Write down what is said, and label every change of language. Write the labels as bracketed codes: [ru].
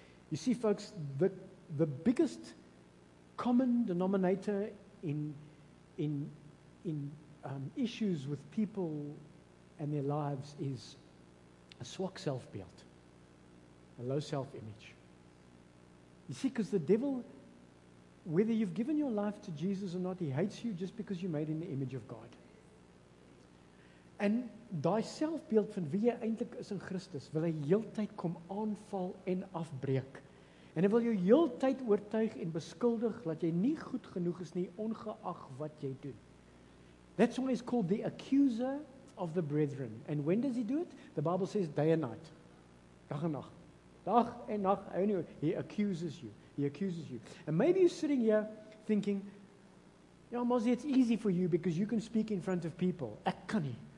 [en] You see, folks, the biggest common denominator in issues with people and their lives is a [af] swak selfbeeld, [en] a low self-image. You see, because the devil, whether you've given your life to Jesus or not, he hates you just because you're made in the image of God. [af] And thy selfbeeld van wie jy eintlik is in Christus, wil hy heeltyd kom aanval en afbreek. En hy wil jou heeltyd oortuig en beskuldig dat jy nie goed genoeg is nie, ongeag wat jy doen. [en] That's why he's called the accuser of the brethren. And when does he do it? The Bible says day and night. [af] Dag en nacht. Dag en nacht. [en] Anyway, he accuses you. He accuses you. And maybe you're sitting here thinking, yeah, Mozzie, it's easy for you because you can speak in front of people. [af] Ek kan nie.